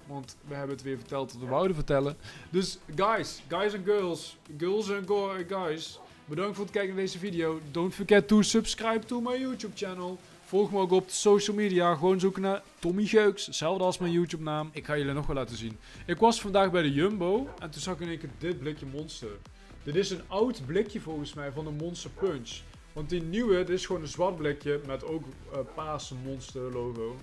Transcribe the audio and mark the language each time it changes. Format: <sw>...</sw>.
<nl>Want we hebben het weer verteld wat we wouden vertellen. Dus guys en girls. Girls en guys. Bedankt voor het kijken naar deze video.</nl> <en>Don't forget to subscribe to my YouTube channel.</en> <nl>Volg me ook op de social media. Gewoon zoeken naar Tommy Geuks. Hetzelfde als mijn YouTube naam. Ik ga jullie nog wel laten zien. Ik was vandaag bij de Jumbo. En toen zag ik in één keer dit blikje Monster. Dit is een oud blikje volgens mij van de Monster Punch. Want die nieuwe, dit is gewoon een zwart blikje met ook paarse Monster logo.</nl>